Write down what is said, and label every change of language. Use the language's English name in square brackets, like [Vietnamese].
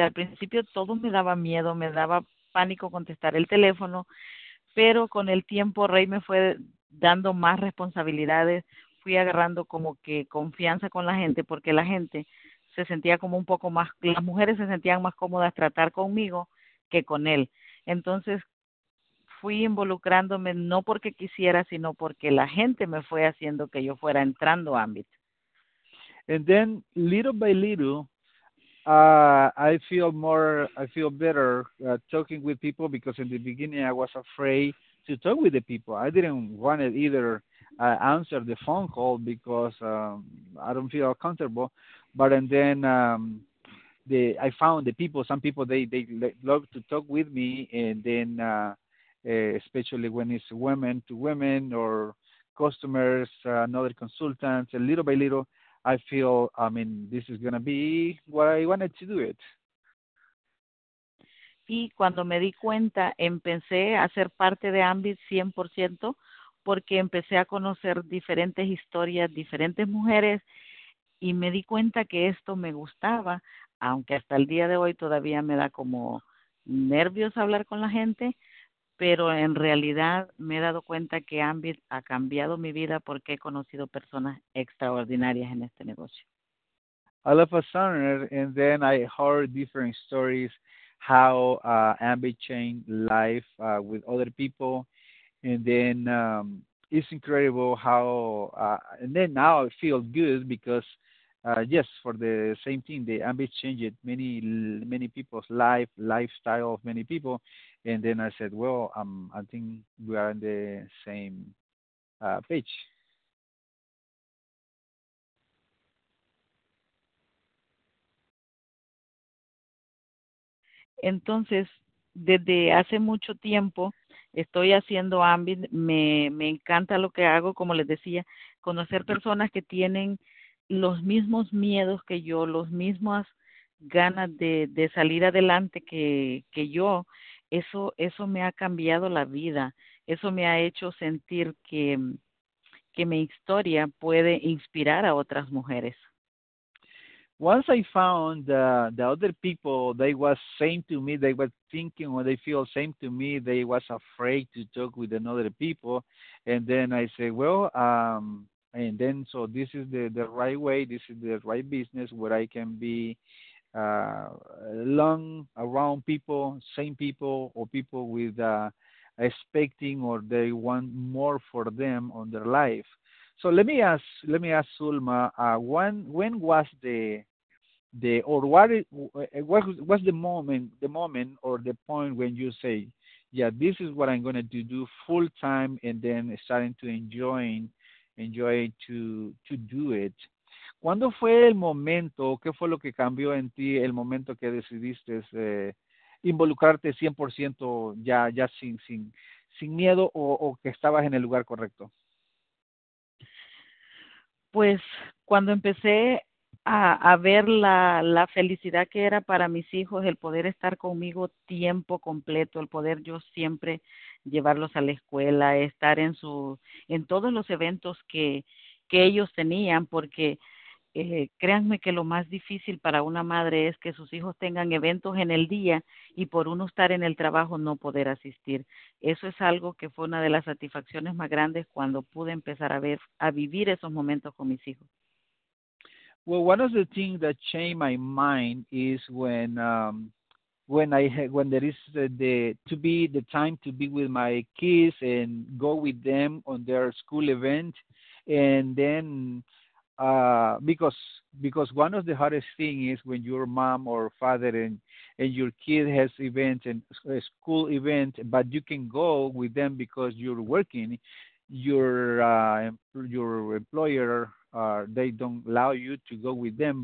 [Spanish] Al principio todo me daba miedo, me daba pánico contestar el teléfono, pero con el tiempo Rey me fue dando más responsabilidades, fui agarrando como que confianza con la gente, porque la gente se sentía como un poco más, las mujeres se sentían más cómodas tratar conmigo que con él. Entonces fui involucrándome no porque quisiera, sino porque la gente me fue haciendo que yo fuera entrando a Ambit. [English] And then little by little, I feel more, I feel better talking with people, because in the beginning I was afraid to talk with the people. I didn't want to either answer the phone call because I don't feel comfortable. But and then I found the people, some people they love to talk with me, and then especially when it's women to women or customers, another consultant, and little by little, I feel, I mean, this is going to be what I wanted to do it. [Spanish] Y cuando me di cuenta, empecé a ser parte de Ambit 100% porque empecé a conocer diferentes historias, diferentes mujeres, y me di cuenta que esto me gustaba, aunque hasta el día de hoy todavía me da como nervios hablar con la gente, pero en realidad me he dado cuenta que Ambit ha cambiado mi vida porque he conocido personas extraordinarias en este negocio. [English] I love a sonner, and then I heard different stories how Ambit changed life with other people, and then it's incredible how and then now I feel good because yes, for the same thing, the Ambit changed many, many people's life, lifestyle of many people. And then I said, well, I think we are on the same page. [Spanish] Entonces, desde hace mucho tiempo estoy haciendo Ambit. Me encanta lo que hago, como les decía, conocer personas que tienen los mismos miedos que yo, los mismas ganas de salir adelante que yo, eso me ha cambiado la vida. Eso me ha hecho sentir que mi historia puede inspirar a otras mujeres. [English] Once I found the other people, they was same to me, they were thinking or they feel same to me, they was afraid to talk with another people. And then I say, well, and then, so this is the right way, this is the right business where I can be long around people, same people, or people with expecting or they want more for them on their life. So let me ask Zulma, when was the or what was the moment or the point when you say, yeah, this is what I'm going to do full time, and then starting to enjoy to do it. [Spanish] ¿Cuándo fue el momento, qué fue lo que cambió en ti el momento que decidiste involucrarte 100% ya sin miedo o que estabas en el lugar correcto? Pues cuando empecé a ver la felicidad que era para mis hijos el poder estar conmigo tiempo completo, el poder yo siempre llevarlos a la escuela, estar en todos los eventos que ellos tenían, porque créanme que lo más difícil para una madre es que sus hijos tengan eventos en el día y por uno estar en el trabajo no poder asistir. Eso es algo que fue una de las satisfacciones más grandes cuando pude empezar a vivir esos momentos con mis hijos. [English] Well, one of the things that changed my mind is when there is the time to be with my kids and go with them on their school event, and then Because one of the hardest thing is when your mom or father and your kid has event and a school event, but you can go with them because you're working, your employer, they don't allow you to go with them.